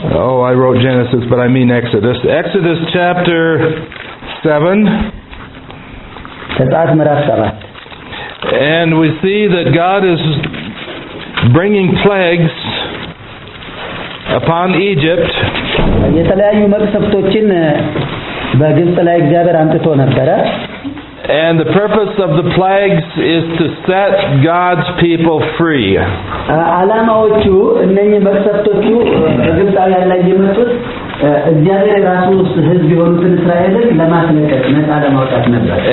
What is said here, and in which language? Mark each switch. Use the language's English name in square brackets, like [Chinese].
[English] Oh, I wrote Genesis, but I mean Exodus. Exodus chapter 7 تتعاد مرات 7 and we see that God is bringing plagues upon Egypt [Amharic] የተለያዩ መቅሰፍቶችን በግብጽ ላይ እግዚአብሔር አንጥቶ ነበር [English] And the purpose of the plagues is to set God's people free. [Amharic] አላማዎቹ እነኚህ መቅሰፍቶቹ በግብጽ ላይ የመጡት እግዚአብሔር ራሱ ህዝብ የሆኑትን እስራኤልን ለማስነቀል ነጻ ለማውጣት ነበር።